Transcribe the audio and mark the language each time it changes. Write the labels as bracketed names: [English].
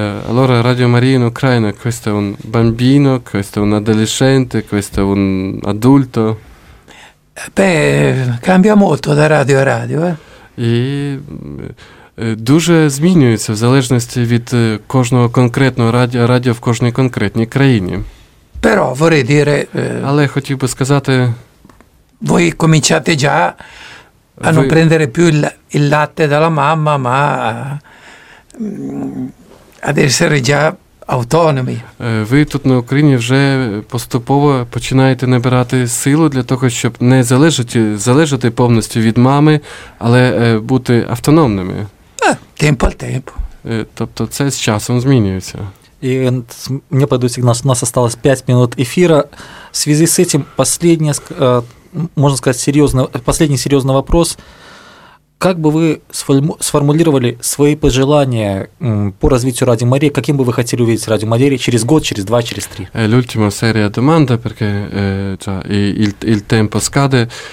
[Italian] Allora, Радіо Марія in Ucraina, questo è un bambino, questo è un adolescente, questo è un adulto. Beh, cambia molto da radio a radio, eh? [Ukrainian] І дуже змінюється в залежності від кожного конкретного радіо, радіо в кожній конкретній країні. [Italian] Però vorrei dire, [Ukrainian] але хотів би сказати, [Italian] voi cominciate già a non prendere più il latte dalla mamma, ma ad essere già автономи. [Ukrainian] Ви тут на Україні вже поступово починаєте набирати силу для того, щоб не залежати повністю від мами, але бути автономними. [Italian] Tempo al tempo. [Ukrainian] Тобто це з часом змінюється. І мені подають сигнал, що у нас залишилось 5 хвилин ефіру. В зв'язку з цим [Russian] последний [Ukrainian] серйозний [Russian] вопрос. Как бы вы сформулировали свои пожелания по развитию Радио Марии? Каким бы вы хотели увидеть Радио Марию через год, через два, через три? [Italian] L'ultima seria domanda, perché il tempo scade.